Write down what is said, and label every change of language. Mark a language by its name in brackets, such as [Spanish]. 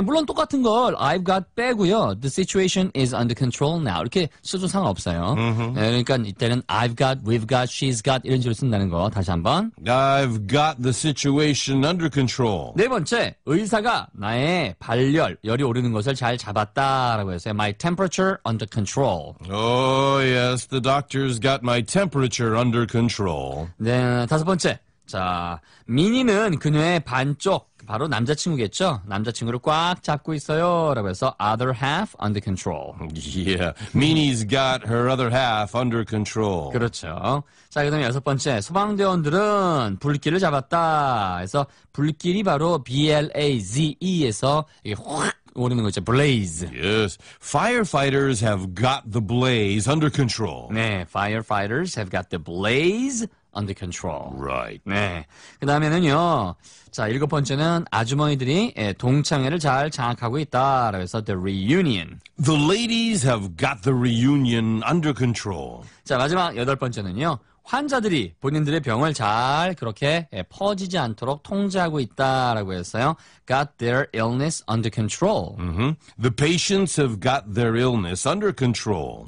[Korean] 네, 물론 똑같은 걸 [English] I've got [Korean] 빼고요. [English] The situation is under control now. [Korean] 이렇게 써도 상관없어요. 네, 그러니까 이때는 [English] I've got, we've got, she's got [Korean] 이런 식으로 쓴다는 거 다시 한번. [English] I've got the situation under control. [Korean] 네 번째, 의사가 나의 발열, 열이 오르는 것을 잘 잡았다라고 했어요. [English] My temperature under control. Oh, yes, the doctor's got my temperature under control. [Korean] 네, 다섯 번째. 자, 미니는 그녀의 반쪽, 바로 남자친구겠죠? 남자친구를 꽉 잡고 있어요. 라고 해서 [English] other half under control. Yeah, Minnie's got her other half under control. [Korean] 그렇죠. 자, 그다음에 여섯 번째, 소방대원들은 불길을 잡았다. 해서 불길이 바로 blaze에서 확 오르는 거 있죠. blaze. [English] Yes, firefighters have got the blaze under control. [Korean] 네, [English] firefighters have got the blaze under control. Right. [Korean] 네. 그 다음에는요. 자, 일곱 번째는 아주머니들이 동창회를 잘 장악하고 있다라고 해서 the reunion. [English] The ladies have got the reunion under control. [Korean] 자, 마지막 여덟 번째는요. 환자들이 본인들의 병을 잘 그렇게 퍼지지 않도록 통제하고 있다라고 했어요. [English] Got their illness under control. The patients have got their illness under control.